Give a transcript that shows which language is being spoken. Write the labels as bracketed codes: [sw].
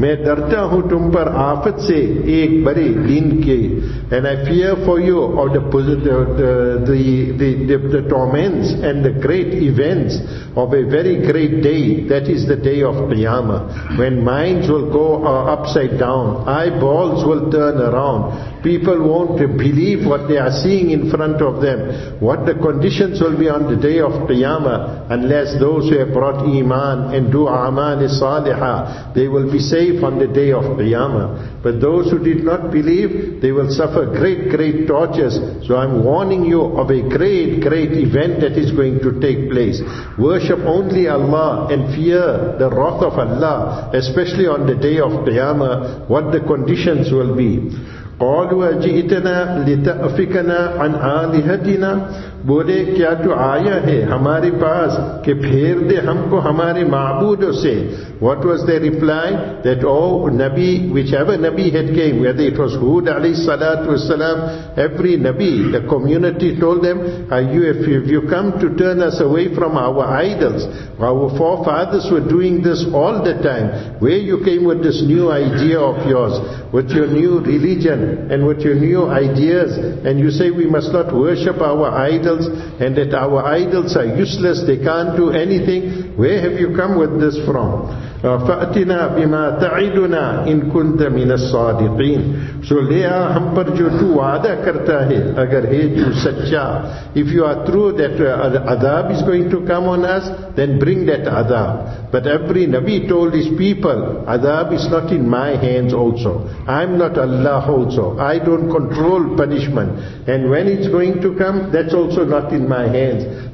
[ur] میں ڈرتا ہوں تم پر آفت سے ایک بڑے دن کے. [en] And I fear for you of the torments and the great events of a very great day. That is the day of Qiyamah, when minds will go upside down, eyeballs will turn around, people won't believe what they are seeing in front of them. What the conditions will be on the day of Qiyamah, unless those who have brought Iman and do Aman Salihah, they will be safe on the day of Qiyamah. But those who did not believe, they will suffer great, great tortures. So I'm warning you of a great, great event that is going to take place. Worship only Allah and fear the wrath of Allah, especially on the day of Qiyamah, what the conditions will be. [ar] قالوا جئتنا لتأفكنا عن آلهتنا. [ur] بولے کیا تو آیا ہے ہمارے پاس کہ پھیر دے ہم کو ہمارے معبودوں سے. [en] What was their reply? That Nabi, whichever Nabi had came, whether it was Hud alayhi salatu wasalam, every Nabi, the community told them, if you come to turn us away from our idols, our forefathers were doing this all the time, where you came with this new idea of yours, with your new religion and with your new ideas, and you say we must not worship our idols and that our idols are useless, they can't do anything. Where have you come with this from? [ar] فَأْتِنَا بِمَا تَعِدُنَا إِن كُنْتَ مِنَ الصَّادِقِينَ. [ur] So لے آ ہم پر جو تو وعدہ کرتا ہے اگر ہے تو سچا. [en] If you are true that عذاب is going to come on us, then bring that عذاب. But every Nabi told his people, عذاب is not in my hands also. I'm not Allah also. I don't control punishment. And when it's going to come, that's also not in my hands.